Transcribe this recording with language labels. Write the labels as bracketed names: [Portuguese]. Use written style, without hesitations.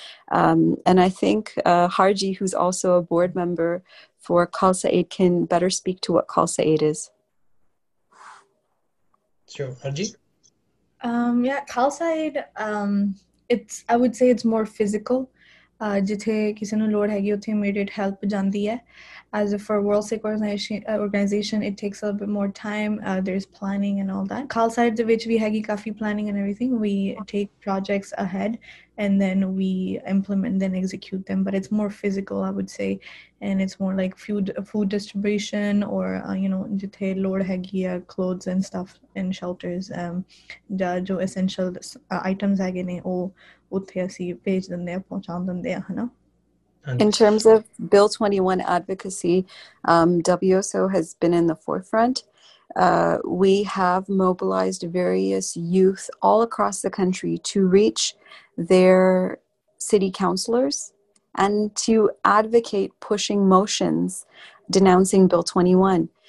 [English] And I think Harji, who's also a board member for Khalsa Aid, can better speak to what Khalsa Aid is. Sure, Harji? Khalsa Aid, I would say it's more physical. [Punjabi] ਜਿੱਥੇ ਕਿਸੇ ਨੂੰ ਲੋੜ ਹੈਗੀ ਉੱਥੇ immediate help ਜਾਂਦੀ ਹੈ [English] as a for world Sikh organization it takes a bit more time there is planning and all that [Punjabi] Khalsa ਦੇ ਵਿੱਚ ਵੀ ਹੈਗੀ ਕਾਫੀ planning [English] and everything we take projects ahead and then we implement then execute them but it's more physical I would say and it's more like [Punjabi] food distribution [English] or you know [Punjabi] ਜਿੱਥੇ ਲੋੜ ਹੈਗੀ ਆ [English] clothes and stuff and shelters [Punjabi] ਜਾਂ ਜੋ essential items ਹੈਗੇ ਨੇ ਉਹ ਉੱਥੇ ਅਸੀਂ ਭੇਜ ਦਿੰਦੇ ਹਾਂ ਪਹੁੰਚਾ ਦਿੰਦੇ ਹਾਂ ਹਨਾ [English] In terms of Bill 21 advocacy, WSO has been in the forefront. We have mobilized various youth all across the country to reach their city councillors and to advocate pushing motions denouncing Bill 21.